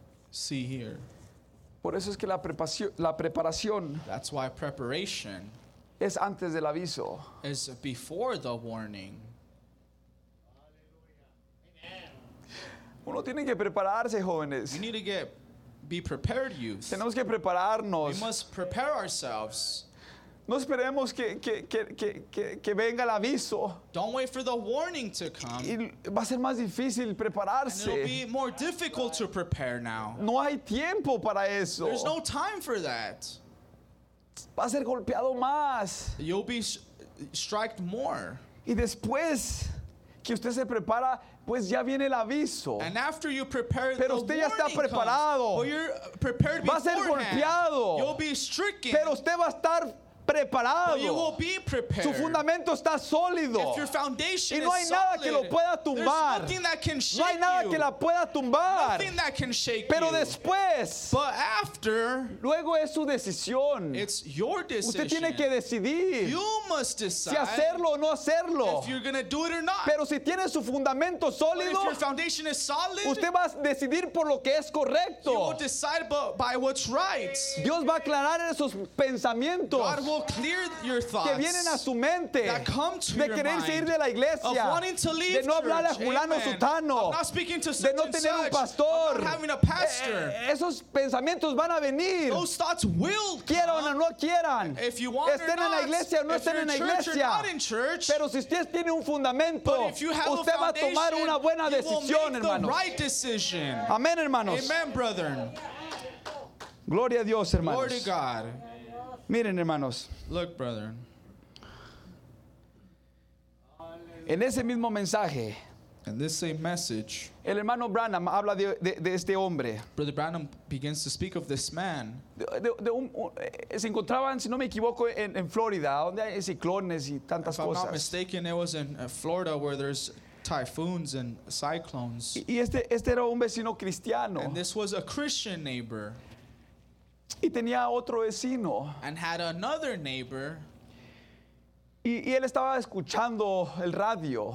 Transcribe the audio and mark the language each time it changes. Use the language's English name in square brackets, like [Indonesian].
[English] See here. [Spanish] Por eso es que la preparación, [English] that's why preparation [Spanish] es antes del aviso. [English] Is before the warning. Amen. [Spanish] Uno tiene que prepararse, jóvenes. [English] You need to get, be prepared, youth. [Spanish] Tenemos que prepararnos. [English] We must prepare ourselves. [Spanish] No esperemos que venga el aviso. [English] Don't wait for the warning to come. [Spanish] Y va a ser más difícil prepararse. [English] And it'll be more difficult to prepare now. [Spanish] No hay tiempo para eso. [English] There's no time for that. [Spanish] Va a ser golpeado más. [English] You'll be striked more. [Spanish] Y después que usted se prepara, pues ya viene el aviso. [English] And after you prepare, [Spanish] pero usted ya está preparado. [English] Comes, you're prepared [Spanish] va a ser golpeado. [English] You'll be stricken. [Spanish] Pero usted va a estar preparado. [English] But you will be prepared. [Spanish] Su fundamento está sólido. [English] If your foundation [Spanish] y no hay nada [English] solid, [Spanish] que lo pueda tumbar. [English] There's nothing that can shake [Spanish] no hay nada [English] you. [Spanish] Que la pueda tumbar. [English] Nothing that can shake [Spanish] pero [English] you. [Spanish] Después, [English] but after, [Spanish] luego es su decisión. [English] It's your decision. [Spanish] Usted tiene que decidir [English] you must decide [Spanish] si hacerlo o no hacerlo. [English] If you're gonna do it or not. [Spanish] Pero si tiene su fundamento sólido, [English] but if your foundation is solid, [Spanish] usted va a decidir por lo que es correcto. [English] You will decide by what's right. [Spanish] Dios va a aclarar esos pensamientos. [English] God will clear your thoughts [Spanish] que vienen a su mente, [English] that come to [Spanish] de [English] your [Spanish] querer [English] mind [Spanish] de la iglesia, [English] of wanting to leave [Spanish] de no hablarle [English] church, [Spanish] a Julano [English] amen. [Spanish] Sutano, [English] of not speaking to such [Spanish] de no tener [English] such, [Spanish] un pastor, [English] of not having a pastor. [Spanish] Esos pensamientos van a venir. [English] Those thoughts will [Spanish] quieran [English] come, [Spanish] o no quieran. [English] If you want [Spanish] estén [English] or not, [Spanish] en la iglesia o no estén en la iglesia. [English] Church, [Spanish] pero si usted tiene un fundamento, usted va a tomar una buena decisión, hermanos. [English] Right decision. [Spanish] Amén, hermanos. [English] Amen, brethren. [Spanish] Gloria a Dios, hermanos. [English] Glory to God. [Spanish] Miren, hermanos. [English] Look, brother. [Spanish] En ese mismo mensaje, [English] in this same message, [Spanish] el hermano Branham habla de este hombre. [English] Brother Branham begins to speak of this man. [Spanish] Se encontraban, si no me equivoco, en Florida, donde hay ciclones y tantas [English] if [Spanish] cosas. [English] If I'm not mistaken, it was in Florida where there's typhoons and cyclones. [Spanish] Y este era un vecino cristiano. [English] And this was a Christian neighbor. [Spanish] Y tenía otro vecino. [English] And had another neighbor. [Spanish] Y él estaba escuchando el radio.